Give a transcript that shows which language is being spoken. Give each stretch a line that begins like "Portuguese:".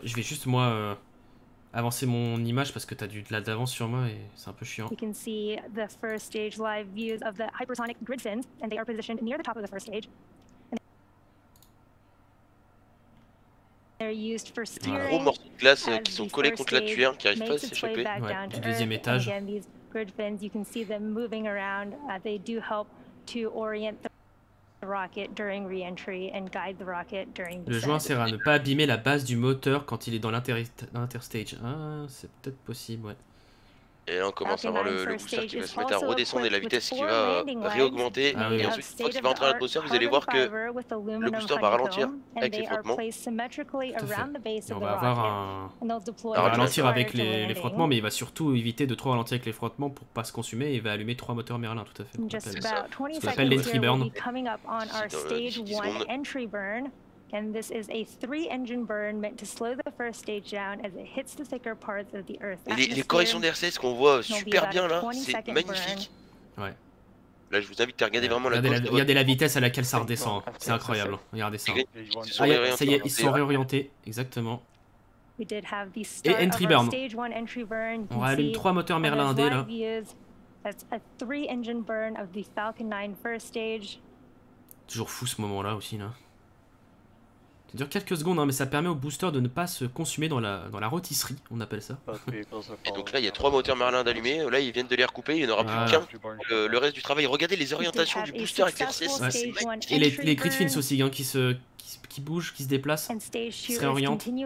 French: Je vais juste, moi, avancer mon image parce que t'as du de l'avance sur moi et c'est un peu chiant.
English: You can see the first stage live views of the hypersonic grid fins, and they are positioned near the top of the first stage.
French: Des gros morceaux de glace qui sont collés contre la tuyère qui n'arrivent pas à s'échapper. Ouais, du deuxième étage.
English: And these grid fins, you can see them moving around. They do help to orient the.
French: Le joint sert à ne pas abîmer la base du moteur quand il est dans l'interstage. Ah, c'est peut-être possible, ouais. Et là, on commence à voir le booster qui va se mettre à redescendre et la vitesse qui va réaugmenter. Ah oui. Et ensuite, quand il va entrer à l'atmosphère, vous allez voir que le booster va ralentir avec les frottements. Et on va avoir un. Il va ralentir avec les frottements, mais il va surtout éviter de trop ralentir avec les frottements pour pas se consumer. Et il va allumer trois moteurs Merlin, tout à fait. C'est ce qu'on appelle l'entry burn.
English: And this is a three-engine burn meant to slow the first stage down as it hits the thicker parts of the Earth.
French: Les corrections d'RCS qu'on voit super bien là, c'est magnifique. Ouais. Là, je vous invite à regarder vraiment la. Regardez la vitesse à laquelle ça redescend. C'est incroyable. Regardez ça. Ils sont réorientés. Exactement.
English: We did have the start et entry burn. Stage one entry burn.
French: On rallume trois moteurs Merlin D là.
English: That's a three-engine burn of the Falcon 9 first stage.
French: Toujours fou ce moment-là aussi là. Ça dure quelques secondes, hein, mais ça permet au booster de ne pas se consumer dans la rôtisserie, on appelle ça. Et donc là, il y a trois moteurs Merlin d'allumés. Là, ils viennent de les recouper, il n'y en aura plus qu'un. Le reste du travail, regardez les orientations du booster avec RCS. Ouais. Et les Gridfins aussi, hein, qui bougent, qui se déplacent, qui se réorientent.